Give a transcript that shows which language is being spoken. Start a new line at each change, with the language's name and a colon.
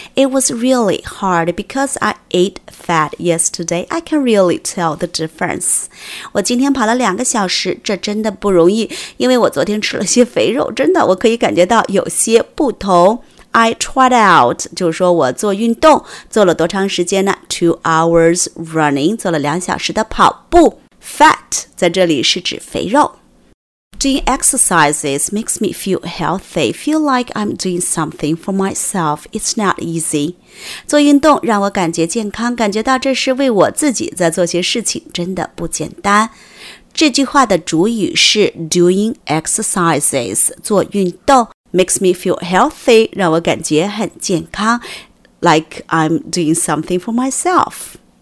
English: It was really hard because I ate fat yesterday. I can really tell the difference.
Chinese: 我今天跑了两个小时，这真的不容易，因为我昨天吃了些肥肉，真的我可以感觉到有些不同。
English: I tried out,
Chinese: 就是说我做运动，做了多长时间呢 ?
English: 2 hours running,
Chinese: 做了两小时的跑步。 Fat, 在这里是指肥肉。
English: Doing exercises makes me feel healthy, feel like I'm doing something for myself, it's not easy.
Chinese: 做运动让我感觉健康，感觉到这是为我自己在做些事情，真的不简单。这句话的主语是
English: doing exercises,
Chinese: 做运动。
English: Makes me feel healthy,
Chinese: 让我感觉很健康
English: like I'm doing something for myself.